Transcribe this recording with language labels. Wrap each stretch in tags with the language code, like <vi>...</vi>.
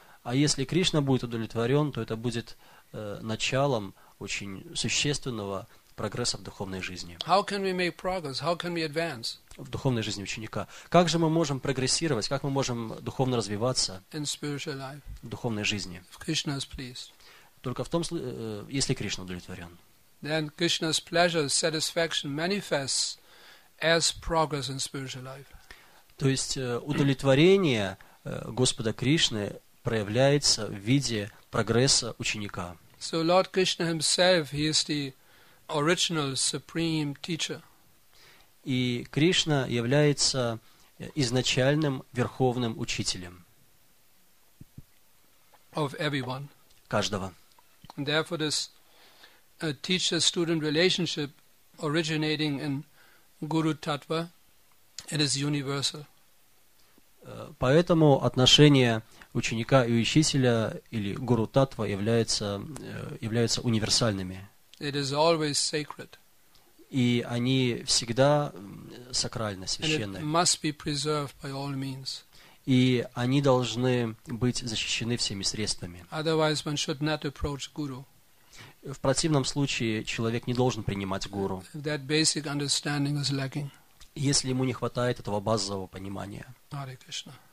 <ru>А если Кришна будет удовлетворен, то это будет началом очень существенного прогресса в духовной жизни.</ru> <en>How can we make progress? How can we advance?</en> <ru>В духовной жизни ученика. Как же мы можем прогрессировать, как мы можем духовно развиваться</ru> <en>in spiritual life,</en> <ru>в духовной жизни?</ru> <en>If Krishna is pleased.</en> <ru>Только в том случае, если Кришна удовлетворен.</ru> <en>Then Krishna's pleasure, satisfaction manifests as progress in spiritual life.</en> <ru>То есть удовлетворение Господа Кришны проявляется в виде прогресса ученика.</ru> <en>So Lord Krishna himself, he is the original supreme teacher.</en> <ru>И Кришна является изначальным верховным учителем</ru> <en>of everyone.</en> <ru>Каждого.</ru> <en>And therefore this teacher-student relationship originating in guru-tattva, it is universal.</en> <ru>Поэтому отношение ученика и учителя или гуру-таттва являются универсальными.</ru> <en>It is always sacred.</en> <ru>И они всегда сакральны, священны.</ru> <en>And it must be preserved by all means.</en> <ru>И они должны быть защищены всеми средствами.</ru> <en>Otherwise, one should not approach guru.</en> <ru>В противном случае человек не должен принимать гуру.</ru> <en>If that basic understanding is lacking.</en> <ru>Если ему не хватает этого базового понимания.</ru> <en>Hare Krishna.</en>